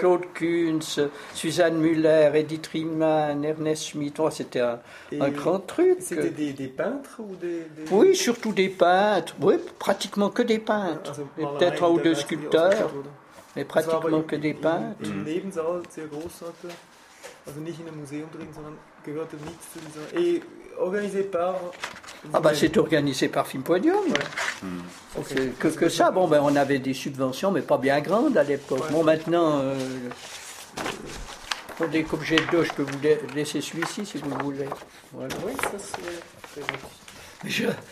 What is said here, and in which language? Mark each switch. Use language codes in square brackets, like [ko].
[fr] Claude Kuntz, Suzanne Müller, Edith Riemann, Ernest Schmitt. Oh, c'était un grand truc. C'était des peintres ou des... Oui, surtout des peintres. Oui, pratiquement que des peintres. Peut-être un ou deux sculpteurs, mais pratiquement que des peintres. Mm. [de] Nebensaal, sehr groß, hatte, also nicht in einem Museum drin, sondern gehörte nicht zu dieser. [fr] Et organisé par. Ah, bah c'est organisé par Filmpodium. Ouais. Mm. Okay. Que ça, bon, ben on avait des subventions, mais pas bien grandes à l'époque. Ouais. Bon, maintenant, pour des objets de dos, je peux vous laisser celui-ci si vous voulez. Voilà. Oui, ça c'est.